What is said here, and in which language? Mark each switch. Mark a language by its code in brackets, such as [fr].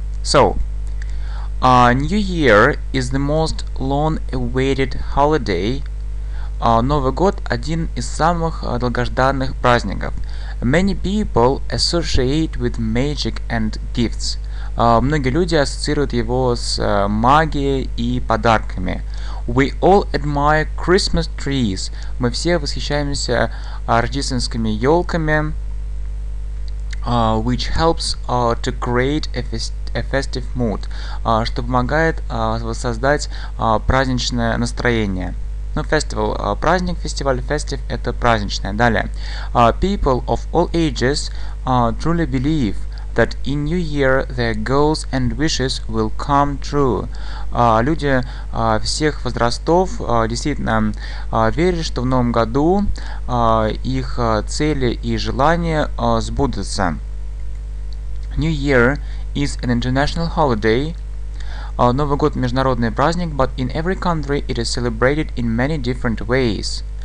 [en] So, New Year is the most long-awaited holiday. [ru] Новый год – один из самых долгожданных праздников. [en] Many people associate with magic and gifts. [ru] Многие люди ассоциируют его с магией и подарками. [en] We all admire Christmas trees. [ru] Мы все восхищаемся рождественскими елками, [en] which helps to create a festive mood, [ru] что помогает воссоздать праздничное настроение. Ну, festival, праздник, фестиваль, festive – это праздничное. Далее. [en] People of all ages truly believe that in New Year their goals and wishes will come true. [ru] Люди всех возрастов действительно верят, что в новом году их цели и желания сбудутся. [en] New Year is an international holiday. [ru] Новый год – международный праздник, [en] but in every country it is celebrated in many different ways.